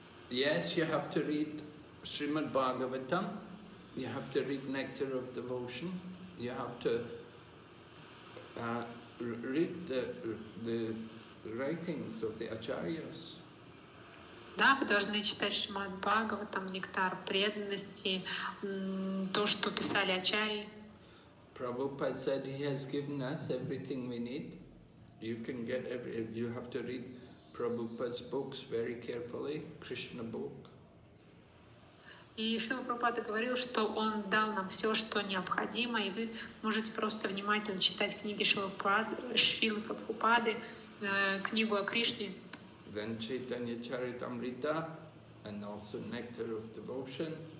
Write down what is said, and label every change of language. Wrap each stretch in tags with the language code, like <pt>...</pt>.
<en>Yes, you have to read Srimad Bhagavatam, you have to read Nectar of Devotion, you have to read the writings of the Acharyas.</en> <ru>Да, вы должны читать Шримад Бхагаватам, Нектар преданности, то, что писали Ачарьи.</ru> <en>Prabhupada said he has given us everything we need. You can get you have to read Prabhupada's books very carefully, Krishna book.</en> <ru>И Шрила Прабхупада говорил, что он дал нам все, что необходимо, и вы можете просто внимательно читать книги Шрилы Прабхупады, книгу о Кришне.</ru> <en>Then Chaitanya Charitamrita and also Nectar of Devotion.</en>